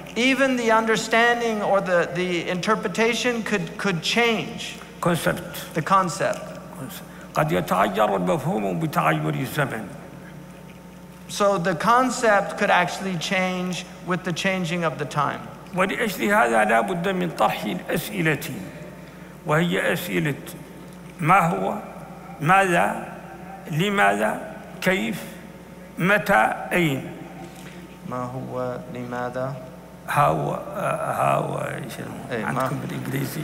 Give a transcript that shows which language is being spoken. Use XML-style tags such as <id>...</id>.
<en>Even the understanding or the interpretation could change. Concept. The concept.</en> <ar>قد يتغير المفهوم بتغير الزمن.</ar> <en>So the concept could actually change with the changing of the time.</en> <ar>ولأجل هذا لا بد من طرح الأسئلة وهي أسئلة ما هو ماذا لماذا كيف متى أين. ما هو لماذا؟</ar> <en>how how</en> <ar>إيش عندكم بالإنجليزي؟</ar>